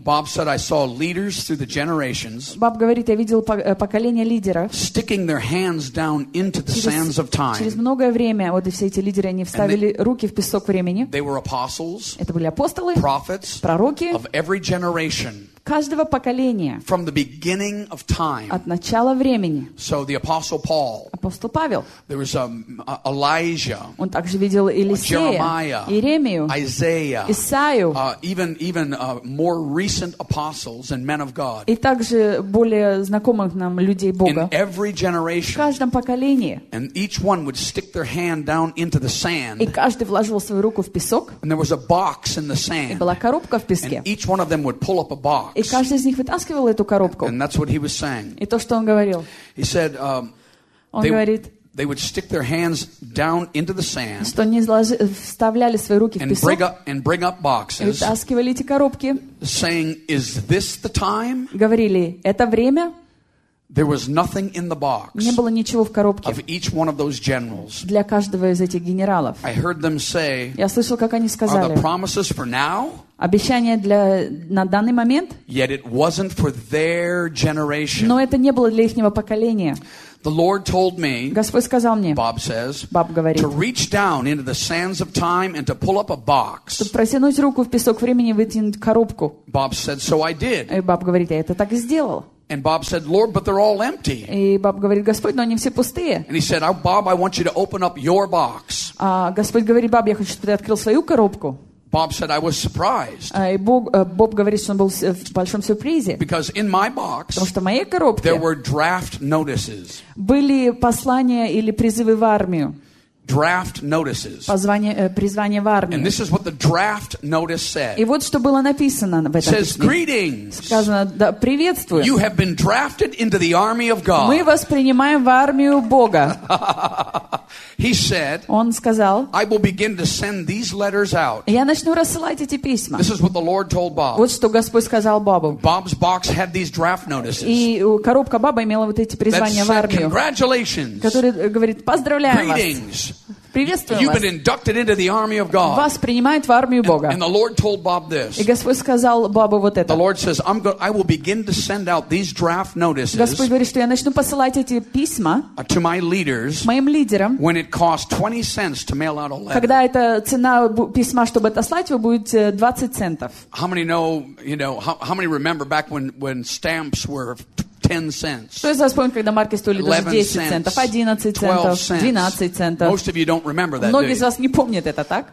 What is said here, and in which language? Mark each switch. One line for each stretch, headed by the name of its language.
English: Bob said, I saw leaders through the generations.
Russian: Боб говорит, я видел поколение лидеров.
English: Sticking their hands down into the sands of time.
Russian: Через многое время вот все эти лидеры они вставили руки в песок времени.
English: They were apostles.
Russian: Это были апостолы.
English: Prophets.
Russian: Пророки.
English: Of every generation.
Russian: Каждого поколения.
English: From the beginning of time.
Russian: От начала времени.
English: So the apostle Paul.
Russian: Апостол Павел.
English: There was Elijah.
Russian: Он также видел Елисея.
English: Jeremiah.
Russian: Иеремию.
English: Isaiah.
Russian: Исаию.
English: More recent apostles and men of God.
Russian: И также более знакомых нам людей Бога.
English: In every generation.
Russian: В каждом поколении.
English: And each one would stick their hand down into the sand.
Russian: И каждый вложил свою руку в песок.
English: And there was a box in the sand.
Russian: И была коробка в песке.
English: And each one of them would pull up a box.
Russian: И каждый из них вытаскивал эту коробку.
English: And that's what he was saying.
Russian: И то, что он говорил.
English: He said,
Russian: он говорит,
English: they would stick their hands down into the sand,
Russian: что они вставляли свои руки в песок
English: and bring up boxes,
Russian: и вытаскивали эти коробки.
English: Saying, is this the time?
Russian: Говорили, это время?
English: There was nothing in the box.
Russian: Не было ничего в коробке.
English: Of each one of those generals.
Russian: Для каждого из этих генералов.
English: I heard them say.
Russian: Я слышал, как они сказали.
English: Are the promises for now?
Russian: Обещание для на данный момент?
English: Yet it wasn't for their generation.
Russian: Но это не было для ихнего поколения.
English: The Lord told me.
Russian: Господь сказал мне.
English: Bob says.
Russian: Боб говорит.
English: To reach down into the sands of time and to pull up a box.
Russian: Чтобы протянуть руку в песок времени и вытянуть коробку.
English: Bob said, so I did.
Russian: И Боб говорит, я это так и сделал.
English: And Bob said, "Lord, but they're all empty."
Russian: И Боб говорит, Господь, но они все пустые.
English: And he said, "Bob, I want you to open up your box."
Russian: А Господь говорит, Боб, я хочу, чтобы ты открыл свою коробку.
English: Bob said, "I was surprised."
Russian: А Боб говорит, что он был в большом сюрпризе.
English: Because in my box,
Russian: потому что в моей коробке,
English: there were draft notices.
Russian: Были послания или призывы в армию.
English: draft notices.
Russian: Призвание в армию.
English: And this is what the draft notice said.
Russian: И вот что было написано в этом.
English: It says greetings.
Russian: Сказано, да, приветствую.
English: You have been drafted into the army of God.
Russian: Мы вас принимаем в армию Бога.
English: He said,
Russian: Он сказал,
English: I will begin to send these letters out.
Russian: Я начну рассылать эти письма.
English: This is what the Lord told Bob.
Russian: Вот что Господь сказал Бобу.
English: Bob's box had these draft notices.
Russian: И коробка Боба имела вот эти призвания
English: said,
Russian: в армию.
English: Congratulations.
Russian: Который говорит: "Поздравляю
English: greetings.
Russian: Вас. Приветствую
English: You've been inducted into the army of God.
Russian: Вас принимают в армию Бога.
English: And the Lord told Bob this.
Russian: И Господь сказал Бобу вот это.
English: The Lord says, I will begin to send out these draft notices.
Russian: Господь говорит, что я начну посылать эти письма
English: to my leaders.
Russian: Моим лидерам.
English: When it costs 20 cents to mail out a letter.
Russian: Когда эта цена письма, чтобы отослать его, будет 20 центов.
English: How many know, you know, how many remember back when stamps were 10 cents.
Russian: Кто из вас помнит, когда марки стоили 10 центов, 11 центов, 12 центов?
English: Most of you don't remember that,
Russian: Многие из вас не помнят это, так?